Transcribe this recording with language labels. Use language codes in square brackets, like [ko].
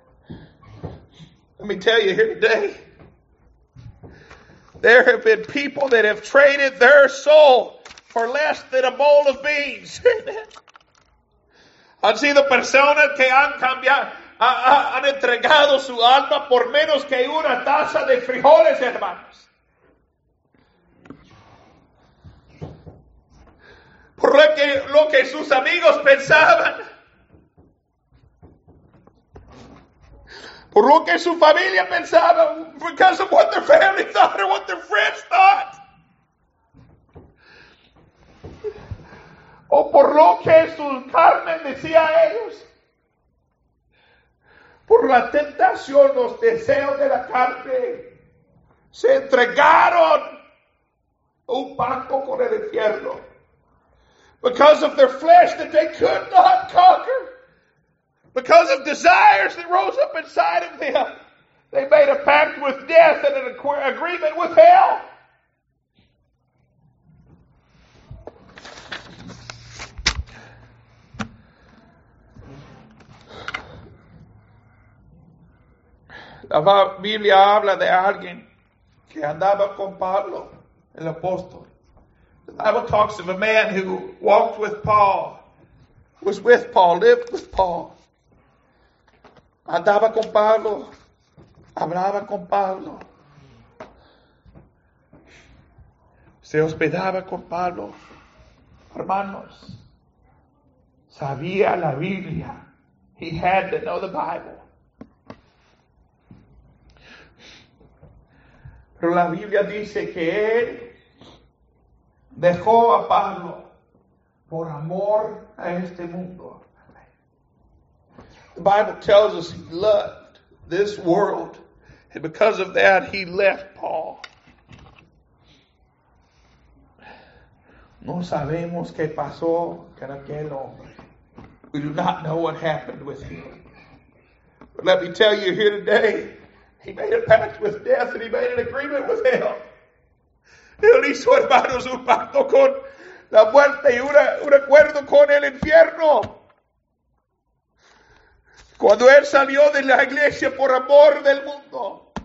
[en] Let me tell you here today, there have been people that have traded their soul for less than a bowl of beans. [es] Han sido personas que han cambiado, han entregado su alma por menos que una taza de frijoles, hermanos. Por lo que sus amigos pensaban. Por lo que su familia pensaba. [en] Because of what their family thought or what their friends thought. [es] O por lo que su carne decía a ellos. Por la tentación, los deseos de la carne. Se entregaron a un pacto con el infierno. [en] Because of their flesh that they could not conquer. Because of desires that rose up inside of them. They made a pact with death and an agreement with hell. [es] La Biblia habla de alguien que andaba con Pablo, el apóstol. [en] The Bible talks of a man who walked with Paul, was with Paul, lived with Paul. [es] Andaba con Pablo, hablaba con Pablo. Se hospedaba con Pablo. Hermanos, sabía la Biblia. [en] He had to know the Bible. [es] Pero la Biblia dice que él dejó a Pablo por amor a este mundo. [en] The Bible tells us he loved this world. And because of that, he left Paul. [es] No sabemos qué pasó con aquel hombre. [en] We do not know what happened with him. But let me tell you here today, he made a pact with death and he made an agreement with hell. [es] Él hizo, hermanos, un pacto con la muerte y un acuerdo con el infierno. Cuando él salió de la iglesia por amor del mundo.